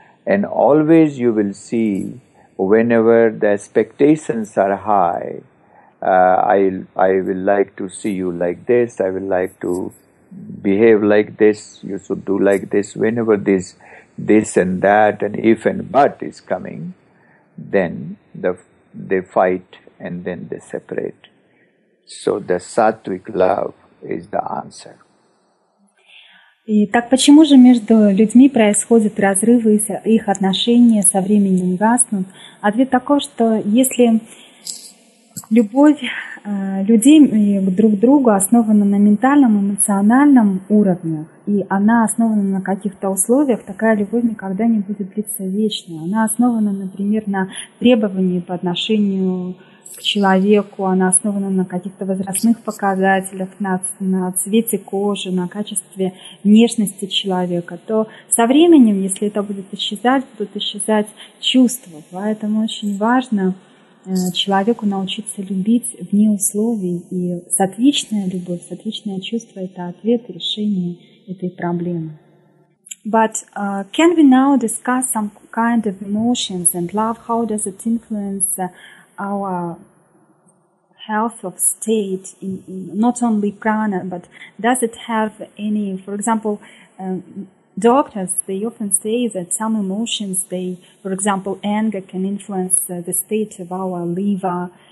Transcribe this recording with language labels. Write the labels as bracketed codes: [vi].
[en] And always you will see, whenever the expectations are high, I will like to see you like this, I will like to behave like this, you should do like this. Whenever this and that and if and but is coming, then they fight and then they separate. So the sattvic love is the answer. [ru] И так почему же между людьми происходят разрывы, их отношения со временем гаснут? Ответ такой, что если любовь людей друг к другу основана на ментальном, эмоциональном уровне, и она основана на каких-то условиях, такая любовь никогда не будет длиться вечно. Она основана, например, на требовании по отношению к человеку, она основана на каких-то возрастных показателях, на цвете кожи, на качестве внешности человека. То со временем, если это будут исчезать чувства. Поэтому очень важно человеку научиться любить вне условий, и сатвичная любовь, сатвичное чувство – это ответ, решение этой проблемы. [en] But can we now discuss some kind of emotions and love? How does it influence our health of state, in not only prana, but does it have any, for example, doctors, they often say that some emotions, they, for example, anger can influence the state of our liver.